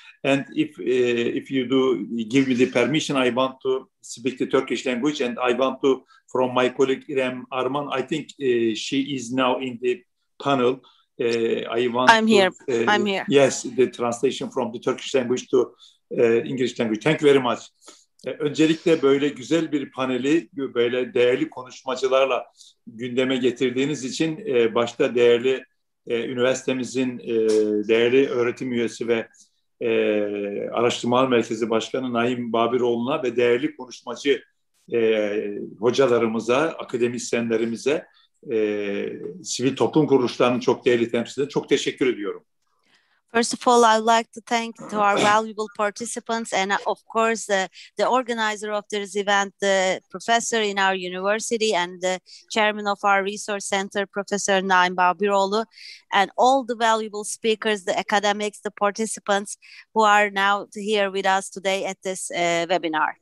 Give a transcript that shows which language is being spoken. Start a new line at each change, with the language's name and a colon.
English: And if you do give me the permission, I want to speak the Turkish language, and I want to, from my colleague İrem Arman, I think she is now in the panel. I'm here. Yes, the translation from the Turkish language to English language. Thank you very much.
Turkish: Öncelikle böyle güzel bir paneli, böyle değerli konuşmacılarla gündeme getirdiğiniz için başta değerli üniversitemizin değerli öğretim üyesi ve Araştırmalar Merkezi Başkanı Naim Babiroğlu'na ve değerli konuşmacı hocalarımıza, akademisyenlerimize, sivil toplum kuruluşlarının çok değerli temsilcilerine çok teşekkür ediyorum.
English: First of all, I'd like to thank to our valuable participants and, of course, the organizer of this event, the professor in our university and the chairman of our resource center, Professor Naim Babiroğlu, and all the valuable speakers, the academics, the participants who are now here with us today at this webinar.